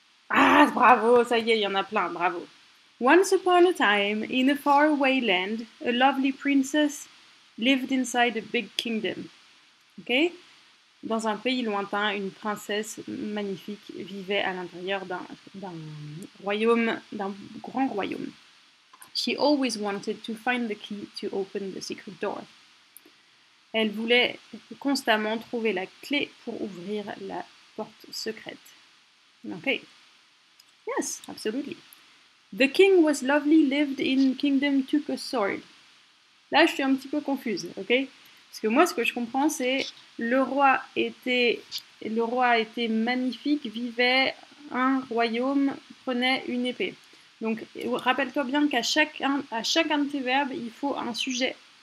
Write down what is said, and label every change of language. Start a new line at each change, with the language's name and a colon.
French: Ah, bravo, ça y est, il y en a plein, bravo.
English: Once upon a time, in a faraway land, a lovely princess lived inside a big kingdom, ok?
French: Dans un pays lointain, une princesse magnifique vivait à l'intérieur d'un grand royaume.
English: She always wanted to find the key to open the secret door.
French: Elle voulait constamment trouver la clé pour ouvrir la porte secrète.
English: Okay. Yes, absolutely. The king was lovely, lived in kingdom, took a sword.
French: Là, je suis un petit peu confuse, ok? Parce que moi, ce que je comprends, c'est le roi était magnifique, vivait un royaume, prenait une épée. Donc, rappelle-toi bien qu'à chacun de tes verbes, il faut un sujet.